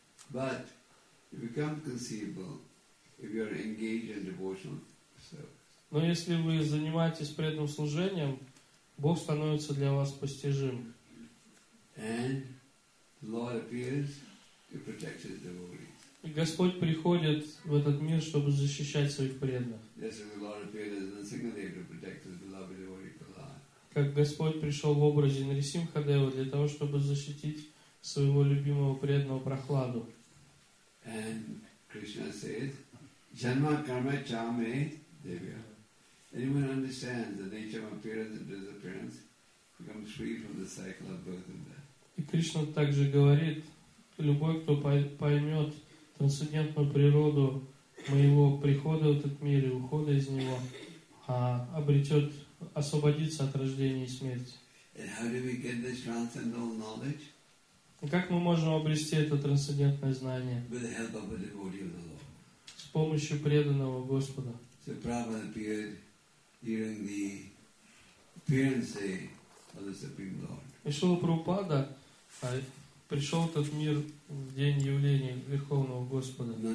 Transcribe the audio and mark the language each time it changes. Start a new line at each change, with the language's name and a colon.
English: But you become conceivable if you are engaged in devotional service.
Russian: Но если вы занимаетесь преданным служением, Бог становится для вас постижим.
English: And the Lord appears. To protect his devotees.
Russian: И Господь приходит в этот мир, чтобы защищать своих преданных.
English: Yes, the Lord appeared as a signal to protect his beloved devotee Prahlad.
Russian: Как Господь пришел в образе Нарисимхадева для того, чтобы защитить своего любимого преданного Прохладу.
English: And Krishna says, "Janma karma chame devya." Anyone understands the nature of appearance and disappearance becomes free from the cycle of birth and death.
Russian: И Кришна также говорит. Любой, кто поймет трансцендентную природу моего прихода в этот мир и ухода из него, обретет, освободится от рождения и смерти.
English: And how do we get this transcendental knowledge?
Russian: Как мы можем обрести это трансцендентное знание?
English: With the help of a devotee of the Lord.
Russian: С помощью преданного Господа.
English: So Prabhupada appeared during the appearance of the Supreme Lord.
Russian: И Шрила Прабхупада пришел этот мир в день явления Верховного Господа.